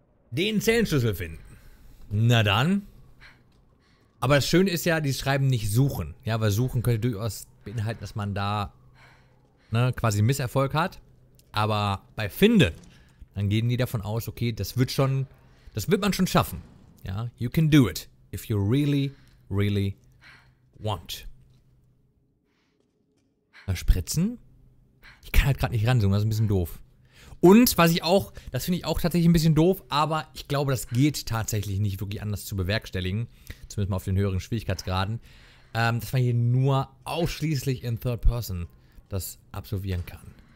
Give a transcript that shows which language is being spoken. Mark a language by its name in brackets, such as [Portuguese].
[German] Den Zellenschlüssel finden. Na dann. Aber das Schöne ist ja, die schreiben nicht suchen. Ja, weil suchen könnte durchaus beinhalten, dass man da quasi Misserfolg hat. Aber bei finden, dann gehen die davon aus, okay, das wird man schon schaffen. [English] Ja, you can do it, if you really, really want. [German] Mal spritzen. Ich kann halt gerade nicht ranzoomen, das ist ein bisschen doof. Und, was ich auch, das finde ich auch tatsächlich ein bisschen doof, aber ich glaube, das geht tatsächlich nicht wirklich anders zu bewerkstelligen. Zumindest mal auf den höheren Schwierigkeitsgraden. Dass man hier nur ausschließlich in Third Person das absolvieren kann.